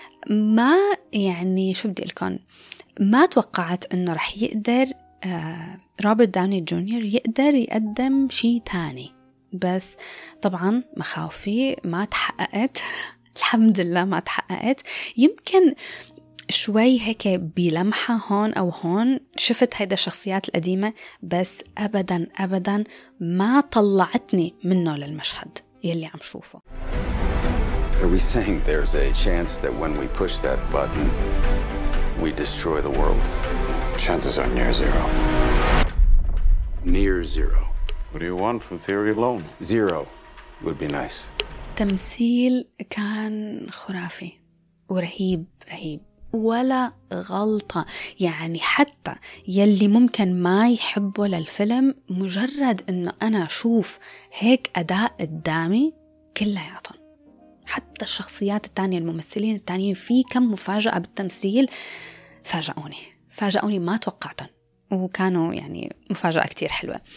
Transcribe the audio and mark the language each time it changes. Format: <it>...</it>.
<ar>ما يعني شو بدي لكم، ما توقعت إنه رح يقدر روبرت داوني جونيور يقدر يقدم شيء تاني، بس طبعا مخاوفي ما تحققت الحمد لله ما تحققت. يمكن شوي هيك بلمحة هون أو هون شفت هيدا الشخصيات القديمة، بس أبدا أبدا ما طلعتني منه للمشهد يلي عم شوفه.</ar> <en>Are we saying there's a chance that when we push that button we destroy the world? Chances are near zero. Near zero. What do you want from theory alone? Zero would be nice.</en> <ar>تمثيل كان خرافي ورهيب رهيب، ولا غلطة يعني. حتى يلي ممكن ما يحبه للفيلم، مجرد انه انا اشوف هيك اداء قدامي كلياتهم، حتى الشخصيات التانية الممثلين التانيين في كم مفاجأة بالتمثيل، فاجأوني فاجأوني ما توقعتهم، وكانوا يعني مفاجأة كتير حلوة.</ar>